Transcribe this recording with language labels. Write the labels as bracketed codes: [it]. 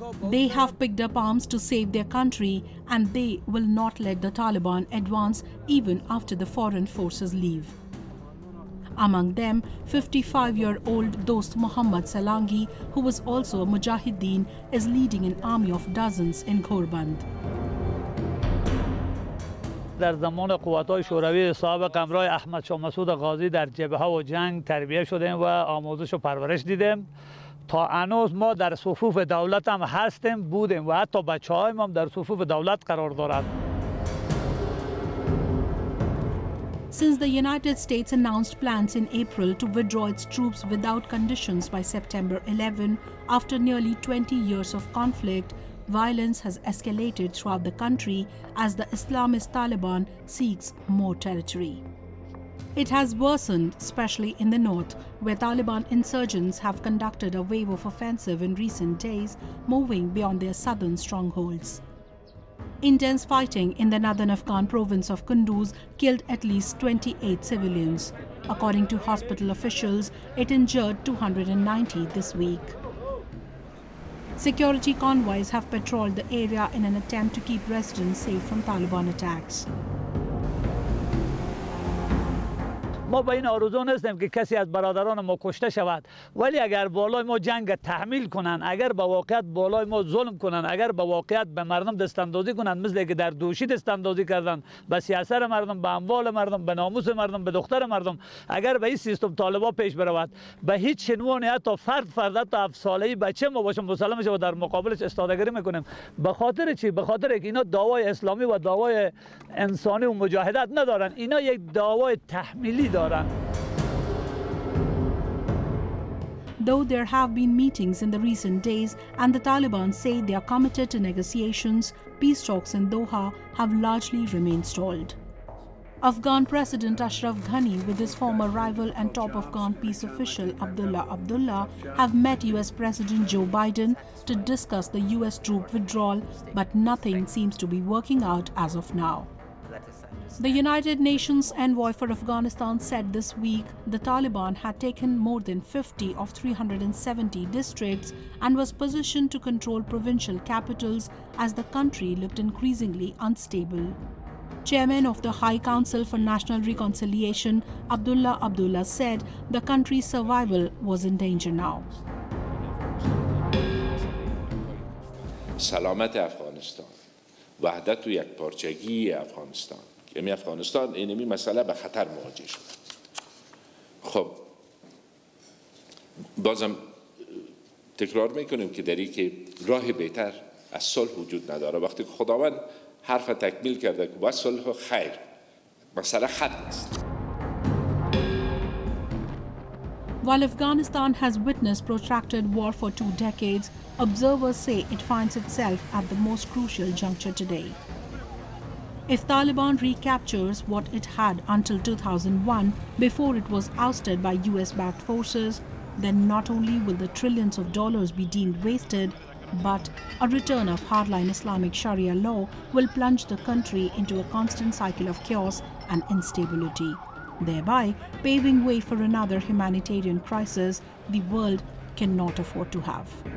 [en] They have picked up arms to save their country, and they will not let the Taliban advance even after the foreign forces leave. Among them, 55-year-old Dost Muhammad Salangi, who was also a Mujahideen, is leading an army of dozens in Ghorband. [fa] در زمان قوت‌های شوروی سابق همراه احمد شاه مسعود غازی در جبهه و جنگ تربیت شدیم و آموزش و پرورش دیدیم تا هنوز ما در صفوف دولت هم هستیم بودیم و حتی بچه‌هایم هم در صفوف دولت قرار دارند. [en] Since the United States announced plans in April to withdraw its troops without conditions by September 11, after nearly 20 years of conflict, violence has escalated throughout the country as the Islamist Taliban seeks more territory. It has worsened, especially in the north, where Taliban insurgents have conducted a wave of offensive in recent days, moving beyond their southern strongholds. Intense fighting in the northern Afghan province of Kunduz killed at least 28 civilians. According to hospital officials, it injured 290 this week. Security convoys have patrolled the area in an attempt to keep residents safe from Taliban attacks. [fa] ما به این آرزو نیستیم که کسی از برادران ما کشته شود ولی اگر بالای ما جنگ تحمیل کنند اگر به واقعیت بالای ما ظلم کنند اگر به واقعیت به مردم دست اندازی کنند مثل که در دوشی دست اندازی کردند به سیاست مردم به اموال مردم به ناموس مردم به دختر مردم اگر به این سیستم طالبان پیش برود به هیچ عنوان حتی فرد فرد تا 7 ساله بچه ما باشه مسلمان شود در مقابلش استادگی میکنیم به خاطر چی به خاطر اینکه اینا دعوای اسلامی و دعوای انسانی و مجاهدت ندارند اینا یک دعوای تحمیلی [en] Though there have been meetings in the recent days and the Taliban say they are committed to negotiations, peace talks in Doha have largely remained stalled. Afghan President Ashraf Ghani with his former rival and top Afghan peace official Abdullah Abdullah have met US President Joe Biden to discuss the US troop withdrawal, but nothing seems to be working out as of now. The United Nations envoy for Afghanistan said this week the Taliban had taken more than 50 of 370 districts and was positioned to control provincial capitals as the country looked increasingly unstable. Chairman of the High Council for National Reconciliation, Abdullah Abdullah, said the country's survival was in danger now. [fa] سلامت افغانستان وحدت و یک پارچگی افغانستان امی افغانستان اینمی مسئله به خطر مواجه شده خب بازم تکرار میکنیم که در این که راه بهتر از صلح وجود نداره وقتی که خداوند حرف تکمیل کرده که با صلح و خیر مسئله ختم است [en] While Afghanistan has witnessed protracted war for two decades, observers say it finds itself at the most crucial juncture today. If Taliban recaptures what it had until 2001, before it was ousted by US-backed forces, then not only will the trillions of dollars be deemed wasted, but a return of hardline Islamic Sharia law will plunge the country into a constant cycle of chaos and instability, thereby paving way for another humanitarian crisis the world cannot afford to have.